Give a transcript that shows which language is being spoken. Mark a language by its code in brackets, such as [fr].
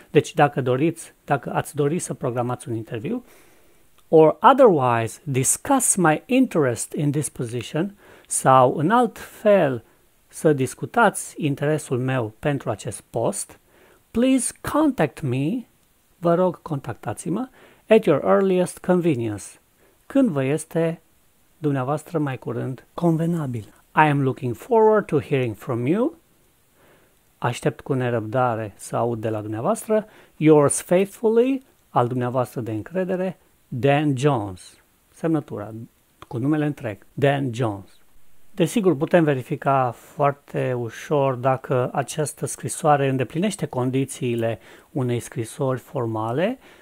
[ro] Deci dacă ați dori să programați un interviu, [en] or otherwise discuss my interest in this position, [ro] sau în alt fel să discutați interesul meu pentru acest post, [en] please contact me, [ro] vă rog contactați-mă, [en] at your earliest convenience, [ro] când vă este dumneavoastră mai curând convenabil. [en] I am looking forward to hearing from you. [ro] Aștept cu nerăbdare să aud de la dumneavoastră. [en] Yours faithfully, [ro] al dumneavoastră de încredere, Dan Jones. Semnătura, cu numele întreg, Dan Jones. Desigur, putem verifica foarte ușor dacă această scrisoare îndeplinește condițiile unei scrisori formale.